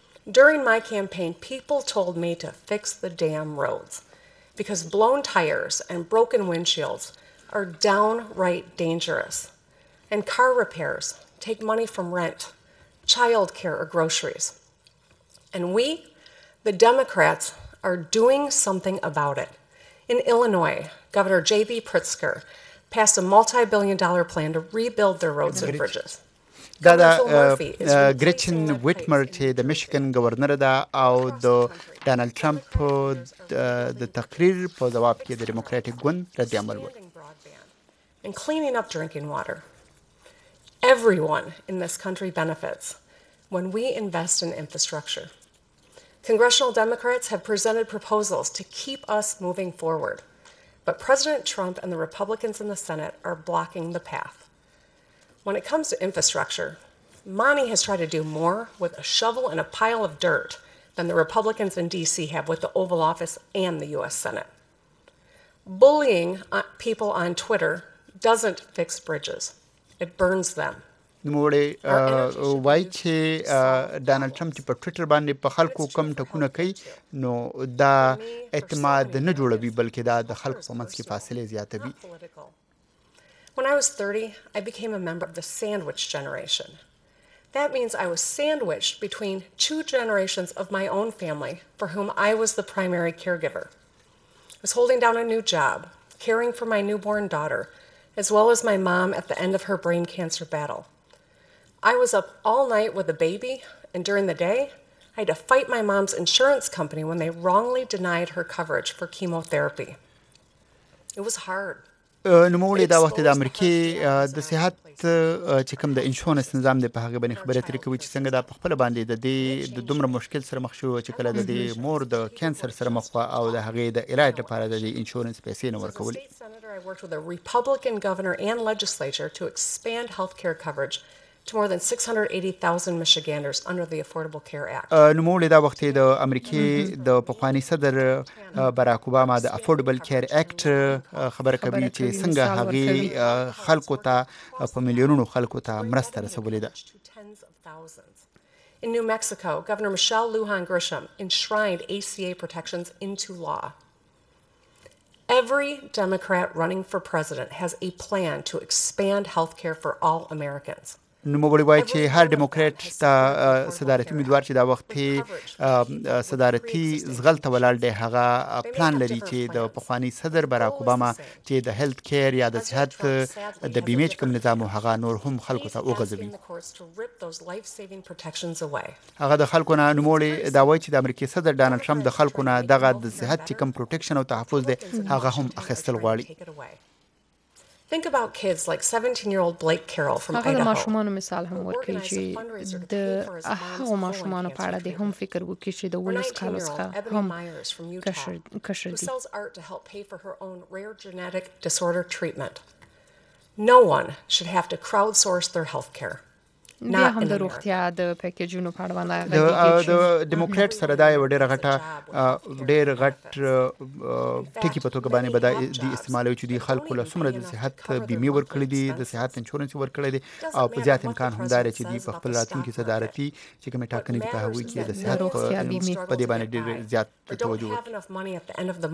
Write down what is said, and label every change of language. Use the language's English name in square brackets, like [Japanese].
[English] During my campaign, people told me to fix the damn roads because blown tires and broken windshields are downright dangerous, and car repairs take money from rent, child care or groceries. And we, the Democrats, are doing something about it. In Illinois, Governor J.B. Pritzker passed a multi-billion dollar plan to rebuild their roads and bridges. [Pashto] دا د ګریچن ویټمر چې د میشیګن گورنر ده او د ډانل ټرمپ د تقریر په جواب کې د ډیموکراټیک ګوند رد عمل و. [English] and cleaning up drinking water. Everyone in this country benefits when we invest in infrastructure. Congressional Democrats have presented proposals to keep us moving forward, but President Trump and the Republicans in the Senate are blocking the path. When it comes to infrastructure, Monty has tried to do more with a shovel and a pile of dirt than the Republicans in D.C. have with the Oval Office and the U.S. Senate. Bullying people on Twitter doesn't fix bridges. It burns them. [Pashto] نموړې وای چې ډانلډ ټرمپ چې په ټویټر باندې په خلکو کم ټکونه کوي نو دا اعتماد نه جوړوي بلکې دا د خلکو په منځ کې فاصله زیاتوي. [English] When I was 30, I became a member of the sandwich generation. That means I was sandwiched between two generations of my own family for whom I was the primary caregiver. I was holding down a new job, caring for my newborn daughter, as well as my mom at the end of her brain cancer battle. I was up all night with a baby, and during the day, I had to fight my mom's insurance company when they wrongly denied her coverage for chemotherapy. It was hard. [Pashto] نوموړې دا وخت د امریکې د صحت چې کوم د انشورنس نظام د په هغه باندې خبرې ترې کوي چې څنګه دا په خپله باندې د دې د دومره مشکل سره مخ شو چې کله د دې مور د کینسر سره مخ وه او د هغې د علاج لپاره د دې انشورنس پیسې نه ورکولې. [English] Republican governor and legislature to expand health care coverage to more than 680,000 Michiganders under the Affordable Care Act. [Pashto] نوموړې دا وخت د امریکای د پخوانی صدر باراک اوباما د افوردبل کیر اکټ خبره کوي چې څنګه هغه خلکو ته په میلیونونو خلکو ته مرسته رسولې ده. [English] In New Mexico, Governor Michelle Lujan Grisham enshrined ACA protections into law. Every Democrat running for president has a plan to expand health care for all Americans. [Pashto] نوموړی وای چې هر ډیموکرات ته صدارتي امیدوار چې دا وخت یې صدارتي زغلته ولاړ دی هغه پلان لري چې د پخوانی صدر باراک اوباما چې د هیلت کیر یا د صحت د بیمې کوم نظام هغه نور هم خلکو ته وغځوي. هغه د خلکو نه نوموړی دا وای چې د امریکای صدر ډانلډ ټرمپ د خلکو نه دغه د صحت کوم پروټیکشن او تحفظ دی هغه هم اخیستل غواړي. [English] Think about kids like 17-year-old Blake Carroll from Idaho. [Pashto] ما شومان مثال هم ورکړي چې د هغه ما شومان په اړه د هم فکر وکړي چې د ولس کالوسخه هم کشر دي. [English] Sells art to help pay for her own rare genetic disorder treatment. No one should have to crowdsource their healthcare. [Pashto] نه هم د روغتیا د پیکیجونو په اړه باندې د دیموکرات سره دا یو ډېر غټ ټکی په توګه باندې بدای دي استعمالوي چې د خلکو له سمره د صحت بیمې ورکړي دي د صحت انشورنس ورکړي دي او په زیات امکان هم داري چې دی په خپل راتلونکي صدارتي چې کومه ټاکنې په هغه کې د صحت او بیمې په دې باندې زیات توجه